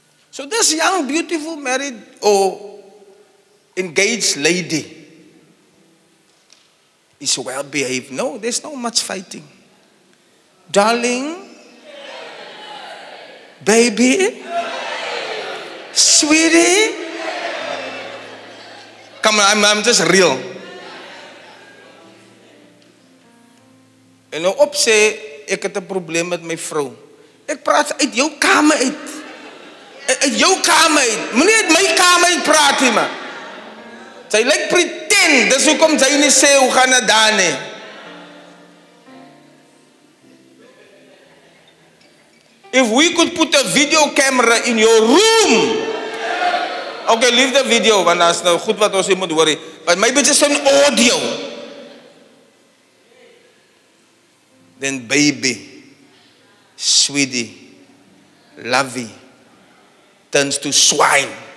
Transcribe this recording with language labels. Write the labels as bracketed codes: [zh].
[en] So this young, beautiful, married or engaged lady is well behaved. No, there's not much fighting. Darling, baby, sweetie, come on, I'm just real. [af] En nou opsê, ek het 'n probleem met my vrou. Ek praat uit jou kamer uit. Uit jou kamer uit. Moenie uit my kamer uit praat nie, man. Sy lyk pretend, dis hoekom sy nie sê hoe gaan dit daar nie. [en] If we could put a video camera in your room. Okay, leave the video, [af] want daar is nou goed wat ons hier moet hoor. [en] But maybe just an audio. Then baby, sweetie, lovey, turns to swine.